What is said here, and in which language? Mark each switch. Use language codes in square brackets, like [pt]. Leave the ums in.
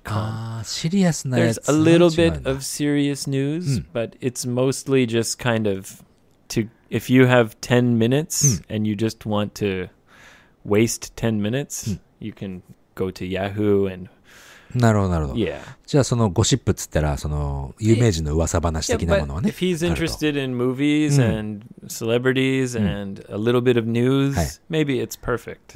[en] Ah, There's a little bit of serious news, um. but it's mostly just kind of to if you have 10 minutes and you just want to waste 10 minutes, you can go to Yahoo and [ja] なるほどなるほど。じゃあそのゴシップっつったらその有名人の噂話的なものはね。 [en] Yeah, if he's interested in movies and celebrities and a little bit of news,、はい、maybe it's perfect.